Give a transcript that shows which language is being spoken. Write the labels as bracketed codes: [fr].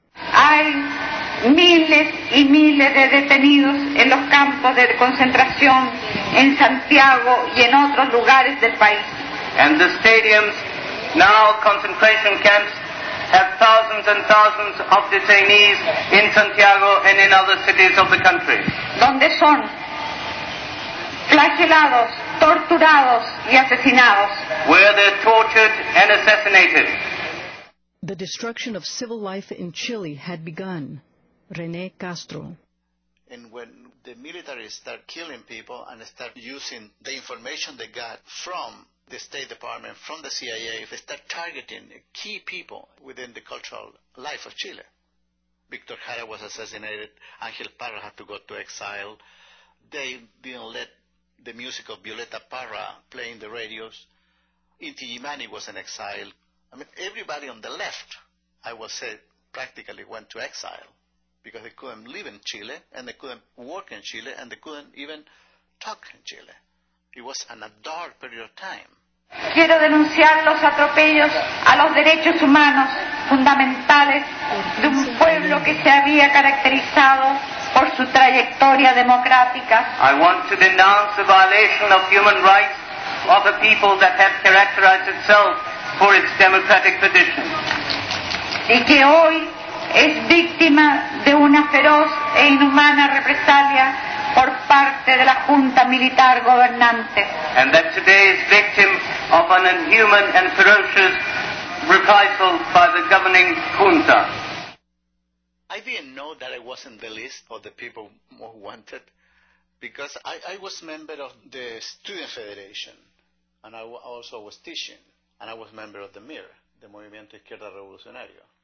[es] Hay miles y miles de detenidos en los campos de concentración en Santiago y en otros lugares del país. [en] And the stadiums, now concentration camps, have thousands and thousands of detainees in Santiago and in other cities of the country. [es] ¿Dónde son? Flagelados, torturados y asesinados. [en] Where they're tortured and assassinated. The destruction of civil life in Chile had begun. René Castro. And when the military start killing people and start using the information they got from the State Department, from the CIA, they start targeting key people within the cultural life of Chile. Victor Jara was assassinated. Ángel Parra had to go to exile. They didn't let the music of Violeta Parra play in the radios. Inti Illimani was in exile. I mean, everybody on the left, I would say, practically went to exile because they couldn't live in Chile and they couldn't work in Chile and they couldn't even talk in Chile. It was a dark period of time. [es] Quiero denunciar los atropellos a los derechos humanos fundamentales de un pueblo que se había caracterizado por su trayectoria democrática. [en] I want to denounce the violation of human rights of a people that have characterized itself for its democratic tradition. [es] Y que hoy es víctima de una feroz e inhumana represalia por parte de la junta militar gobernante. [en] And that today is victim of an inhuman and ferocious reprisal by the governing junta. I didn't know that I was in the list of the people more wanted because I was a member of the Student Federation and I also was teaching and I was a member of the MIR, the Movimiento Izquierda Revolucionario.